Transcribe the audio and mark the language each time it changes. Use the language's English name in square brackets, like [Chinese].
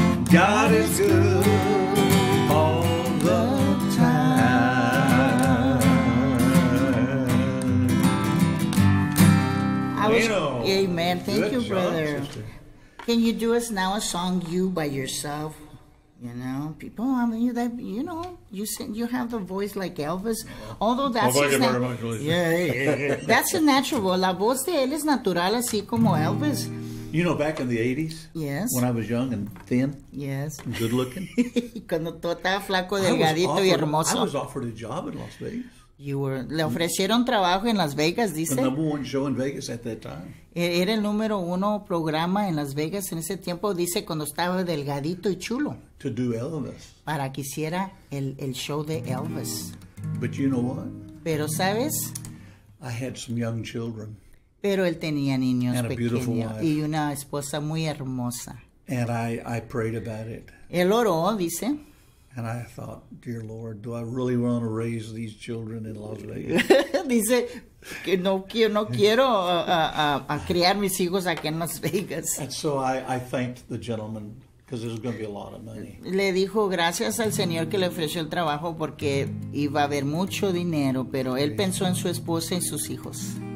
[English] God is good. All the time. I was, amen. Thank good you, job, brother. Sister. Can you do us now a song, you by yourself? You know, people, I mean, that, you know, you sing, you have the voice like Elvis. Although that's his natural. That's a natural voice. [Spanish] La voz de él es natural, así como Elvis. [English] You know, back in the 80s? Yes. When I was young and thin? Yes. And good looking? [Spanish] Cuando todo estaba flaco, delgadito y hermoso. [English] I was offered a job in Las Vegas. You were, [Spanish] le ofrecieron trabajo en Las Vegas, dice. [English] The number one show in Vegas at that time. [Spanish] Era el número uno programa en Las Vegas en ese tiempo, dice, cuando estaba delgadito y chulo. [English] To do Elvis. [Spanish] Para que hiciera el show de Elvis. [English] But you know what? [Spanish] Pero, ¿sabes? [English] I had some young children. [Spanish] Pero él tenía niños [English] and [Spanish] pequeños. [English] A beautiful wife. [Spanish] Y una esposa muy hermosa. [English] And I prayed about it. [Spanish] Él oró, dice. [English] And I thought, dear Lord, do I really want to raise these children in Las Vegas? [Spanish] Dice, que no quiero a criar mis hijos aquí en Las Vegas. [English] And so I thanked the gentleman because it was going to be a lot of money. [Spanish] Le dijo gracias al señor que le ofreció el trabajo porque iba a haber mucho dinero, pero él pensó en su esposa y sus hijos.